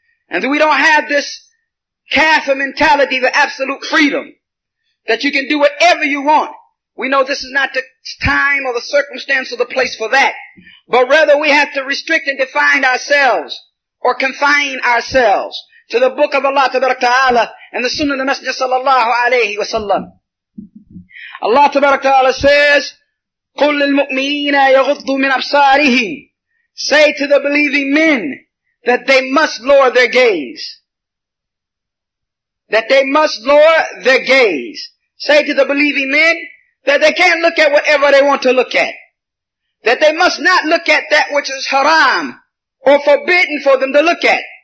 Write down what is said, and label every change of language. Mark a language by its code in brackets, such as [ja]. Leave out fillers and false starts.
[en] And we don't have this kafir mentality of absolute freedom, that you can do whatever you want. We know this is not the time or the circumstance or the place for that, but rather we have to restrict and define ourselves, or confine ourselves, to the book of Allah tabarak ta'ala and the sunnah of the Messenger sallallahu alayhi wa sallam. Allah tabarak ta'ala says, [ar] قُلْ لِلْمُؤْمِنِينَ يَغُضُّ مِنْ أَبْصَارِهِمْ. [en] Say to the believing men that they must lower their gaze. That they must lower their gaze. Say to the believing men that they can't look at whatever they want to look at. That they must not look at that which is haram or forbidden for them to look at.